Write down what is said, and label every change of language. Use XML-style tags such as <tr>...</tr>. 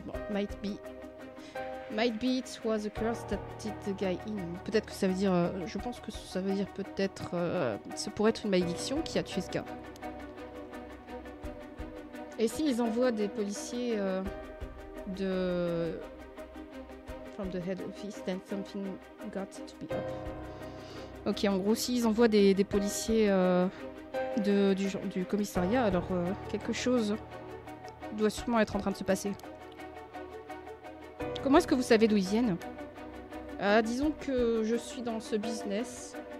<en>Bon, might be it was a curse that did the guy in.</en> <fr>Peut-être que ça veut dire. Je pense que ça veut dire peut-être. Ça pourrait être une malédiction qui a tué ce gars. Et s'ils envoient des policiers de.</fr> <en>From the head office, then something got to be up.</en> <fr>Ok, en gros, s'ils envoient des policiers du commissariat, alors quelque chose doit sûrement être en train de se passer. Comment est-ce que vous savez d'où ils viennent? Disons que je suis dans ce business.</fr>